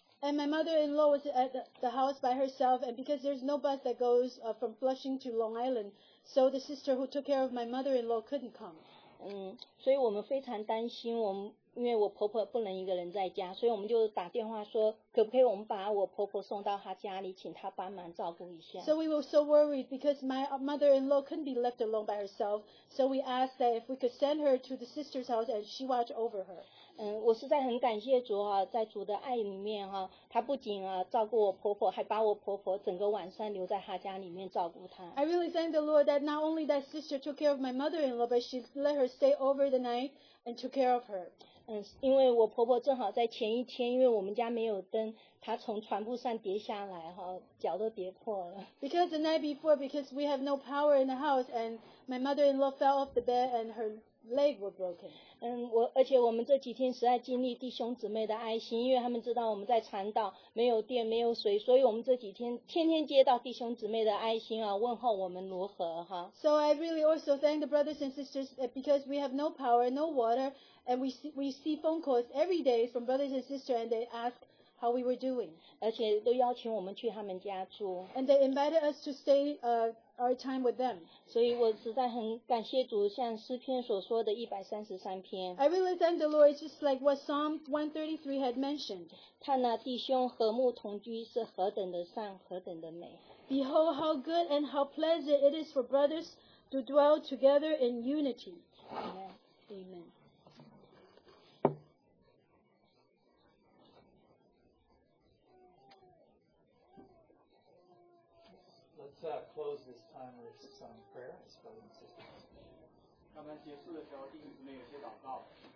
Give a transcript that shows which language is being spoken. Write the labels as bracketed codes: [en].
[en] And my mother-in-law was at the house by herself, and because there's no bus that goes from Flushing to Long Island, so the sister who took care of my mother-in-law couldn't come. [zh] 所以我们非常担心，我们因为我婆婆不能一个人在家，所以我们就打电话说，可不可以我们把我婆婆送到她家里，请她帮忙照顾一下。 [en] So we were so worried because my mother-in-law couldn't be left alone by herself, so we asked that if we could send her to the sister's house and she watch over her. [zh] 我实在很感谢主啊，在主的爱里面哈、啊，他不仅啊照顾我婆婆，还把我婆婆整个晚上留在他家里面照顾她。 [en] I really thank the Lord that not only that sister took care of my mother-in-law, but she let her stay over the night and took care of her. [zh] 因为我婆婆正好在前一天，因为我们家没有灯，她从床铺上跌下来哈、啊，脚都跌破了。 [en] Because the night before, because we have no power in the house, and my mother-in-law fell off the bed and her leg were broken. [zh] 而且我们这几天实在经历弟兄姊妹的爱心，因为他们知道我们在长岛没有电没有水，所以我们这几天天天接到弟兄姊妹的爱心啊，问候我们如何哈。 [en] So I really also thank the brothers and sisters because we have no power, no water, and we see phone calls every day from brothers and sisters and they ask how we were doing. [zh] 而且都邀请我们去他们家住。 [en] And they invited us to stay our time with them. [zh] 所以我实在很感谢主，像诗篇所说的133篇。 [en] I really thank the Lord, just like what Psalm 133 had mentioned. [zh] 看那弟兄和睦同居是何等的善，何等的美。 [en] Behold how good and how pleasant it is for brothers to dwell together in unity. Amen. Amen. Close this time with some prayers, brothers and sisters. [zh] 刚才结束的时候，弟兄姊妹有些祷告。